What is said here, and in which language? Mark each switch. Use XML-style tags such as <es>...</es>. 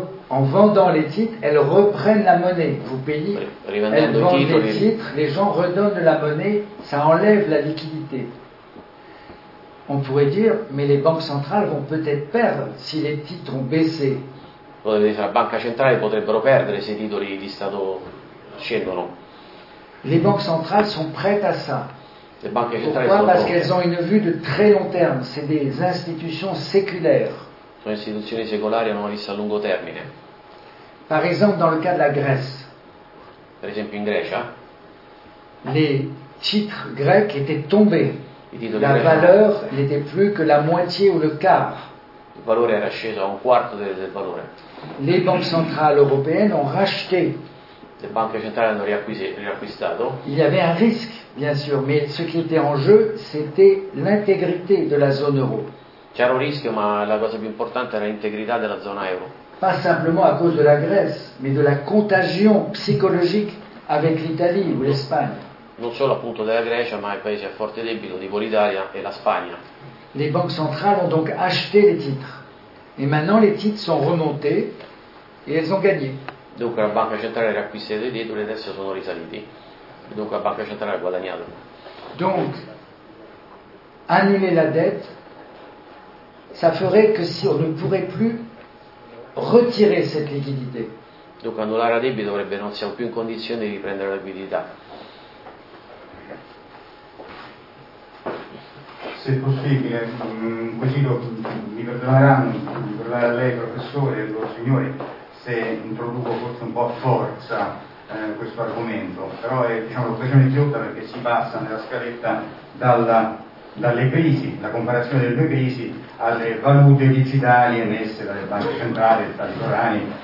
<fr>En vendant les titres, elles reprennent la monnaie. Vous payez, elles vendent les titres, les gens redonnent de la monnaie, ça enlève la liquidité. On pourrait dire, mais les banques centrales vont peut-être perdre si les titres ont baissé.</fr> <it>La banca centrale potrebbero perdere se i titoli di Stato scendono.</it> <fr>Les banques centrales sont prêtes à ça.</fr> <it>Le banche centrali</it> <fr>pourquoi</fr> <it>sono</it> <fr>parce qu'elles ont une vue de très long terme, c'est des institutions séculaires.</fr> <it>Sono istituzioni secolari, hanno una vista a lungo termine.</it> <fr>Par exemple, dans le cas de la Grèce.</fr> <it>Per esempio in Grecia.</it> <fr>Les titres grecs étaient tombés. La valeur n'était plus que la moitié ou le quart.</fr> <it>Il valore era sceso a un quarto del valore.</it> <fr>Les banques centrales européennes ont racheté.</fr> <it>Le banche centrali hanno riacquistato.</it> <fr>Il y avait un risque, bien sûr, mais ce qui était en jeu, c'était l'intégrité de la zone euro.</fr> <it>C'era un rischio, ma la cosa più importante era l'integrità della zona euro.</it> <fr>Pas simplement à cause de la Grèce, mais de la contagion psychologique avec l'Italie ou l'Espagne.</fr> <it>Non solo appunto della Grecia, ma ai paesi a forte debito, tipo l'Italia e la Spagna.</it> <fr>Les banques centrales ont donc acheté les titres. Et maintenant les titres sont remontés et elles ont gagné.</fr> <it>Dunque la banca centrale ha acquistato i titoli e adesso sono risaliti. Dunque la banca centrale ha guadagnato.</it> <fr>Donc, annuler la dette, ça ferait que si on ne pourrait plus retirer cette liquidité.</fr> <it>Dunque annullare la debito dovrebbe non siamo più in condizione di riprendere la liquidità. Se è possibile, così mi perdoneranno di parlare a lei, professore, e al loro signore, se introduco forse un po' a forza questo argomento, però è diciamo, l'occasione giusta perché si passa nella scaletta dalle crisi, la comparazione delle due crisi alle valute digitali emesse dalle banche centrali e dagli sovrani.</it>